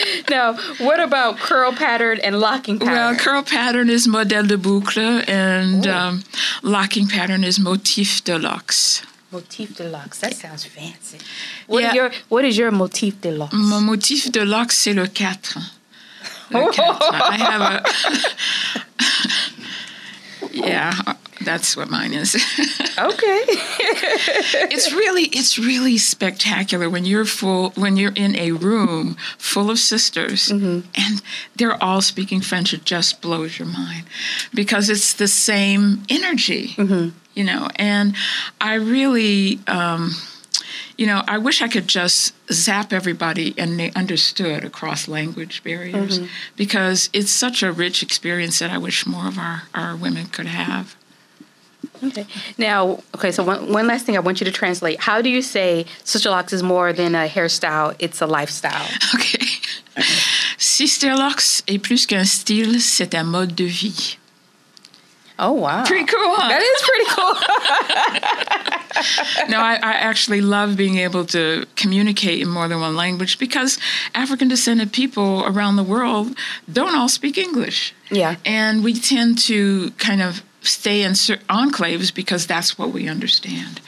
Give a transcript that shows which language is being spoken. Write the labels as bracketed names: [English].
[English] Now, what about curl pattern and locking pattern? Well, curl pattern is [French] modèle de boucle, [English] and locking pattern is [French] motif de lox. Motif de lox, [English] that sounds fancy. What is your [French] motif de lox? [English] My [French] motif de lox, c'est le quatre. [English] I have a yeah, that's what mine is. Okay. it's really spectacular when you're in a room full of sisters, mm-hmm. and they're all speaking French. It just blows your mind because it's the same energy, mm-hmm. you know. And I really you know, I wish I could just zap everybody and they understood across language barriers, mm-hmm. because it's such a rich experience that I wish more of our women could have. Okay, so one last thing I want you to translate. How do you say sister lox is more than a hairstyle, it's a lifestyle? Okay. [French] Sister lox est plus qu'un style, c'est un mode de vie. [English] Oh, wow. Pretty cool, huh? That is pretty cool. No, I actually love being able to communicate in more than one language because African-descended people around the world don't all speak English. Yeah. And we tend to kind of stay in enclaves because that's what we understand.